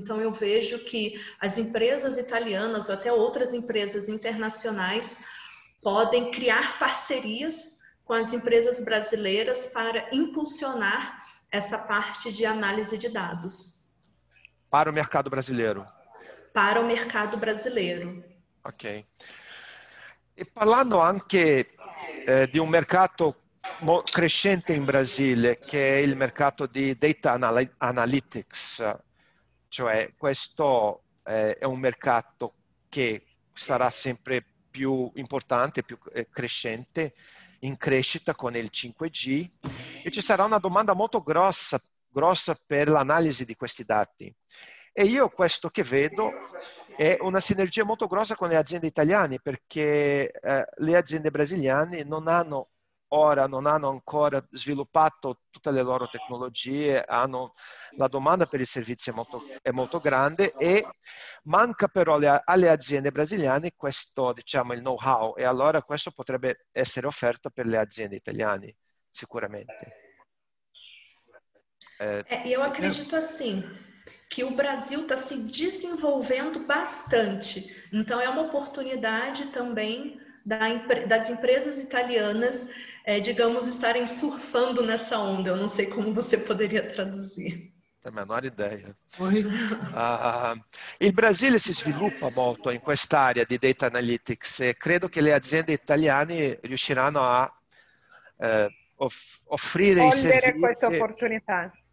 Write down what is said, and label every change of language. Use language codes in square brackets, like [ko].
[pt] Então, eu vejo que as empresas italianas ou até outras empresas internacionais podem criar parcerias com as empresas brasileiras para impulsionar essa parte de análise de dados. Para o mercado brasileiro? Para o mercado brasileiro. Ok. [it] E falando anche di un mercato crescente in Brasile, che è il mercato di data analytics, cioè questo è un mercato che sarà sempre più importante, più crescente, in crescita con il 5G, e ci sarà una domanda molto grossa per l'analisi di questi dati. E io questo che vedo è una sinergia molto grossa con le aziende italiane, perché le aziende brasiliane non hanno ancora sviluppato tutte le loro tecnologie, hanno la domanda per i servizi è molto grande, e manca però alle aziende brasiliane questo, diciamo, il know-how, e allora questo potrebbe essere offerto per le aziende italiane sicuramente. [pt] Io acredito assim che o Brasil sta se desenvolvendo bastante, então é uma oportunidade também das empresas italianas, digamos, estarem surfando nessa onda. Eu não sei como você poderia traduzir. Tem a menor ideia. Oi. [it] Il Brasile si sviluppa molto in quest'area di data analytics e credo che le aziende italiane riusciranno a offrire i servizi. Cogliere questa opportunità.